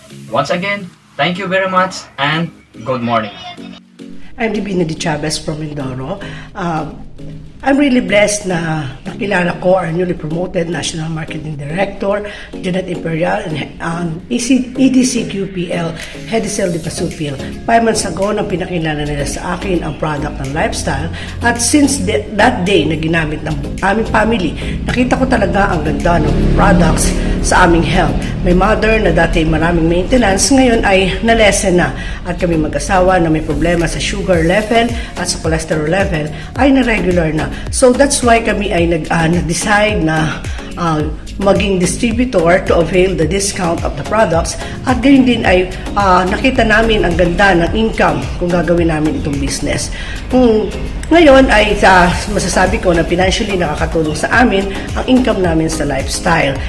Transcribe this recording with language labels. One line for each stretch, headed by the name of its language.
English: Once again, thank you very much and good morning. I'm Divina Di Chavez from Mindoro. I'm really blessed
Filipino: na nakilala ko
English: our newly promoted National Marketing Director, Jeanette Imperial, and EDC-QPL, Head Cell de Pasupil.
Filipino: 5 months ago, nang pinakilala nila sa akin ang product ng lifestyle. At since that day na ginamit ng aming family, nakita ko talaga ang ganda ng products sa aming health. My mother na dati maraming maintenance, ngayon ay na-lessen na. At kami mag-asawa na may problema sa sugar level at sa cholesterol level, ay na-regular na. So that's why kami ay nag-decide na maging distributor
English: to avail the discount of the products.
Filipino: At ganyan din ay nakita namin ang ganda ng income kung gagawin namin itong business. Ngayon ay masasabi ko na financially nakakatulong sa amin ang income namin sa lifestyle.